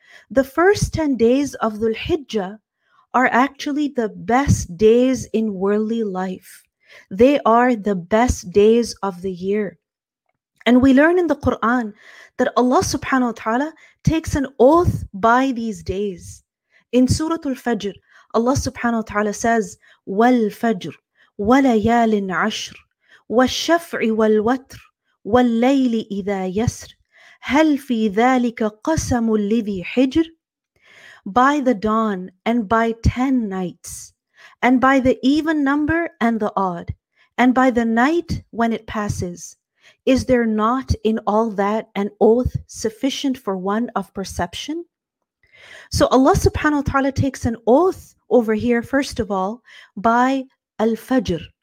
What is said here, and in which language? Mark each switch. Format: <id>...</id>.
<en>The first 10 days of Dhul-Hijjah are actually the best days in worldly life. They are the best days of the year. And we learn in the Quran that Allah subhanahu wa ta'ala takes an oath by these days. In Surah Al-Fajr, Allah subhanahu wa ta'ala says,</en> <ar>وَالْفَجْرِ وَلَيَالٍ عَشْرٍ وَالشَّفْعِ وَالْوَتْرِ وَاللَّيْلِ إِذَا يَسْرٍ هَلْ فِي ذَلِكَ قَسَمٌ لِذِي حِجْرٍ.</ar> <en>By the dawn and by 10 nights, and by the even number and the odd, and by the night when it passes, is there not in all that an oath sufficient for one of perception? So Allah subhanahu wa ta'ala takes an oath over here, first of all, by Al-Fajr.</en>